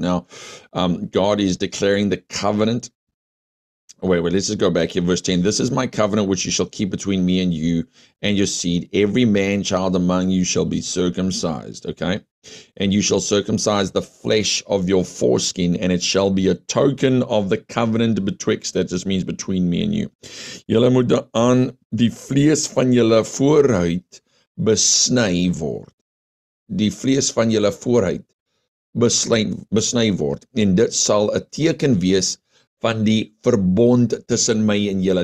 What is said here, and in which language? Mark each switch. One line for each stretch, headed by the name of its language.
English: Now, God is declaring the covenant. Wait, let's just go back here. Verse 10. This is my covenant which you shall keep between me and you and your seed. Every man child among you shall be circumcised. Okay. And you shall circumcise the flesh of your foreskin, and it shall be a token of the covenant betwixt. That just means between me and you.
Afrikaans: Julle moet aan die vlees van julle voorhuid besny word. Die vlees van julle voorhuid besny word. En dit sal 'n teken wees van die verbond tussen my en julle.